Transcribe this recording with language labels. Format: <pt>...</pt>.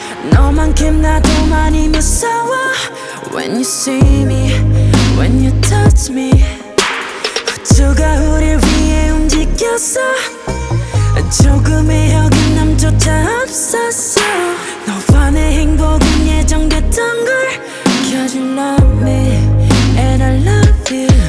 <ko>너만큼 나도 많이 무서워.</ko> <en>When you see me, when you touch me,</en> <ko>우주가 우릴 위해 움직였어. 조금의 여긴 남조차 없었어. 너와 내 행복은 예정됐던 걸.</ko> <en>'Cause you love me and I love you.</en>